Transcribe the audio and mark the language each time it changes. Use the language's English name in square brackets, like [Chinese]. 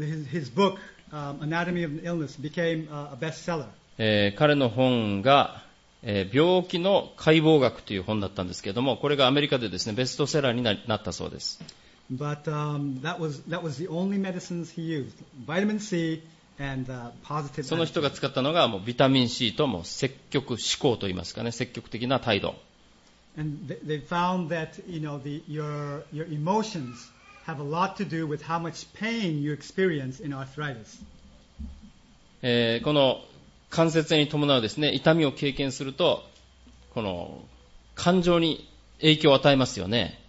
[English] His book, Anatomy of Illness, became a bestseller. [Japanese] 彼の本が、病気の解剖学という本だったんですけれども、これがアメリカでですねベストセラーになったそうです。 [English] But that was the only medicines he used. Vitamin C and positive. [Japanese] その人が使ったのがもうビタミン C とも積極思考といいますかね、積極的な態度。 [English] And they found that you know the your emotions have a lot to do with how much pain you experience in arthritis. [Japanese] この関節炎に伴うですね、痛みを経験するとこの感情に影響を与えますよね。